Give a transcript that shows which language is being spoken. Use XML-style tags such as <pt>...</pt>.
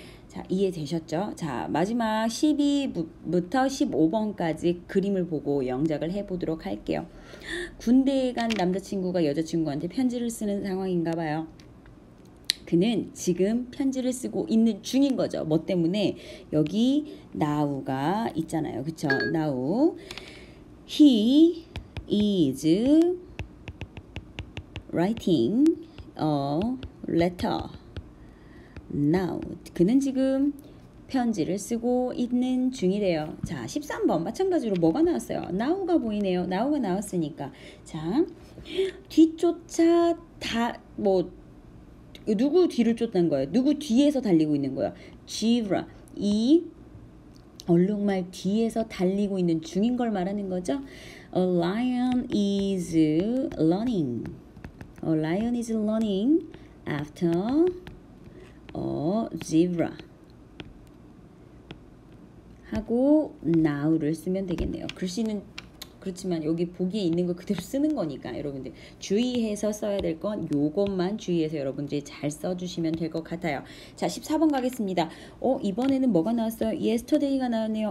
<ko>자, 이해되셨죠? 자, 마지막 12부터 15번까지 그림을 보고 영작을 해보도록 할게요. 군대에 간 남자친구가 여자친구한테 편지를 쓰는 상황인가 봐요. 그는 지금 편지를 쓰고 있는 중인 거죠. 뭐 때문에? 여기 now가 있잖아요. 그쵸? now.</ko> <en>He is writing a letter now.</en> <ko>그는 지금 편지를 쓰고 있는 중이래요. 자, 13번. 마찬가지로 뭐가 나왔어요? now가 보이네요. now가 나왔으니까. 자, 뒤쫓아 다, 뭐, 누구 뒤를 쫓는 거예요? 누구 뒤에서 달리고 있는 거예요? 지브라. 이 얼룩말 뒤에서 달리고 있는 중인 걸 말하는 거죠?</ko> <en>A lion is running. A lion is running after a zebra.</en> <ko>하고 now를 쓰면 되겠네요. 글씨는 그렇지만 여기 보기에 있는 거 그대로 쓰는 거니까 여러분들 주의해서 써야 될건 요것만 주의해서 여러분들이 잘 써주시면 될것 같아요. 자, 14번 가겠습니다. 이번에는 뭐가 나왔어요? Yesterday가 나왔네요.</ko>